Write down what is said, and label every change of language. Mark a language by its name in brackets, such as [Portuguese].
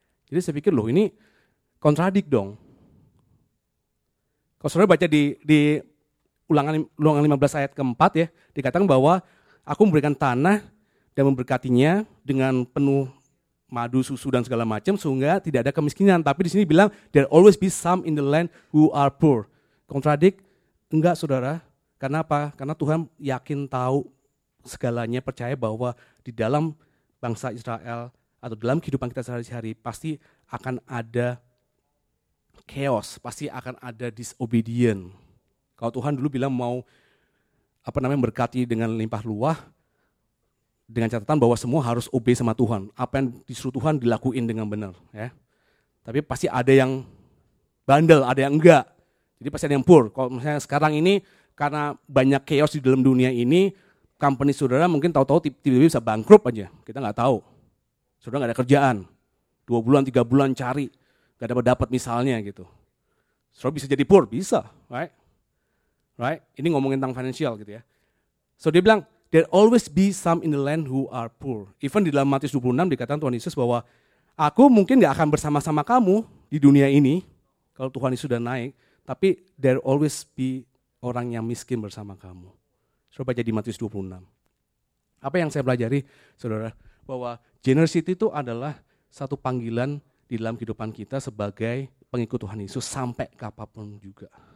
[Indonesian] Jadi saya pikir loh ini kontradik dong. Kalau saudara baca di ulangan 15 ayat keempat ya, dikatakan bahwa aku memberikan tanah dan memberkatinya dengan penuh madu, susu dan segala macam sehingga tidak ada kemiskinan. Tapi di sini bilang [English] there always be some in the land who are poor. [Indonesian] Kontradik? Enggak saudara. Kenapa? Karena Tuhan yakin tahu segalanya, percaya bahwa di dalam bangsa Israel atau dalam kehidupan kita sehari-hari pasti akan ada chaos, pasti akan ada disobedient. Kalau Tuhan dulu bilang mau memberkati dengan limpah ruah, dengan catatan bahwa semua harus obey sama Tuhan, apa yang disuruh Tuhan dilakuin dengan benar, ya. Tapi pasti ada yang bandel, ada yang enggak. Jadi pasti ada yang poor. Kalau misalnya sekarang ini karena banyak chaos di dalam dunia ini, company saudara mungkin tahu-tahu tiba-tiba bisa bangkrut aja. Kita enggak tahu. Saudara enggak ada kerjaan. 2 bulan, 3 bulan cari, enggak dapat misalnya gitu. Saudara bisa jadi poor, bisa, right? Right? Ini ngomongin tentang financial gitu ya. [English] So [Indonesian] dia bilang [English] there always be some in the land who are poor. [Indonesian] Even di dalam Matius 26 dikatakan Tuhan Yesus bahwa aku mungkin enggak akan bersama-sama kamu di dunia ini kalau Tuhan Yesus sudah naik, tapi [English] there always be [Indonesian] orang yang miskin bersama kamu. Saudara baca di Matius 26. Apa yang saya pelajari, saudara, bahwa generosity itu adalah satu panggilan di dalam kehidupan kita sebagai pengikut Tuhan Yesus sampai kapanpun juga.